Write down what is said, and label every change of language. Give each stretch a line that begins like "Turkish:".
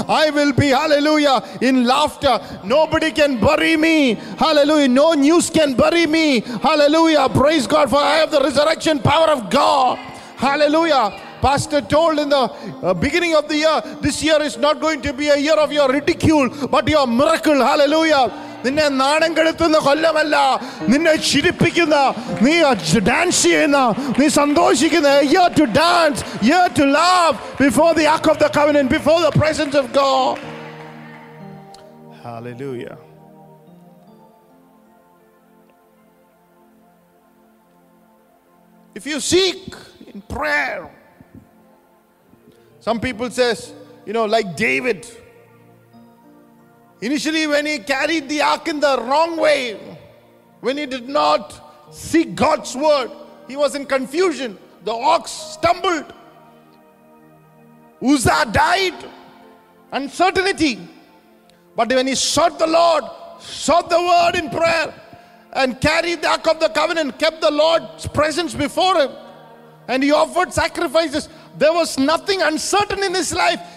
English: I will be, hallelujah, in laughter. Nobody can bury me. Hallelujah. No news can bury me. Hallelujah. Praise God, for I have the resurrection power of God. Hallelujah. Pastor told in the beginning of the year, this year is not going to be a year of your ridicule, but your miracle. Hallelujah.
Malayalam: നിന്നെ നാണം കെടുത്തുന്ന കൊല്ലമല്ല, നിന്നെ ചിരിപ്പിക്കുന്ന, നീ dance ചെയ്യുന്ന, നീ സന്തോഷിക്കുന്ന,
English: You to dance, you to laugh before the ark of the covenant, before the presence of God. Hallelujah. If you seek in prayer, some people says you know like David. Initially, when he carried the ark in the wrong way, when he did not seek God's word, he was in confusion. The ox stumbled. Uzzah died. Uncertainty. But when he sought the Lord, sought the word in prayer, and carried the ark of the covenant, kept the Lord's presence before him, and he offered sacrifices, there was nothing uncertain in his life.